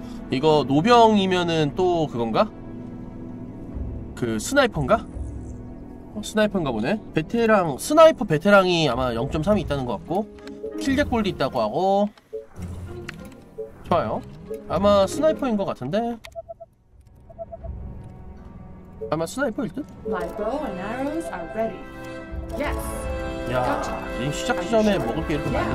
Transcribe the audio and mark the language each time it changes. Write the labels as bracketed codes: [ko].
[ko] 이거 노병이면은 또 그건가? 그 스나이퍼인가? 스나이퍼인가 보네. 베테랑, 스나이퍼 베테랑이 아마 0.3이 있다는 것 같고, 킬잭볼도 있다고 하고, 좋아요. 아마 스나이퍼인 것 같은데. 아마 스나이퍼일 듯? [en] My bow and arrows are ready. Yes. [ko] 야, 이 시작 시점에 [en] sure? [ko] 먹을 게 이렇게 yeah.